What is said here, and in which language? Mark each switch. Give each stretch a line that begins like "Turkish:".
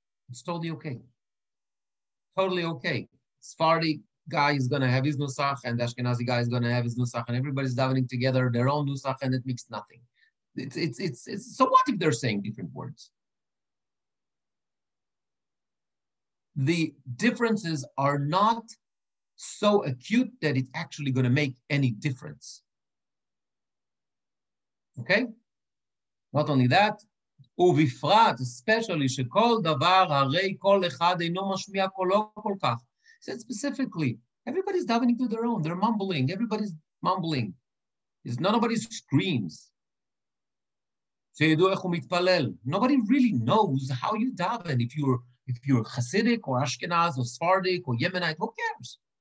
English: It's totally okay. Totally okay. Sephardi guy is going to have his nusach, and Ashkenazi guy is going to have his nusach, and everybody's davening together their own nusach, and it makes nothing. It's so what if they're saying different words? The differences are not so acute that it's actually going to make any difference. Okay? Not only that,
Hebrew: ובפרט,
English: especially,
Hebrew: שכל דבר הרי כל אחד אינו משמיע קולו כל כך.
English: He said specifically, everybody's davening to their own. They're mumbling. Everybody's mumbling. It's not nobody screams.
Hebrew: שידוע איך הוא מתפלל.
English: Nobody really knows how you daven if you're Hasidic or Ashkenaz or Sephardic or Yemenite, who cares?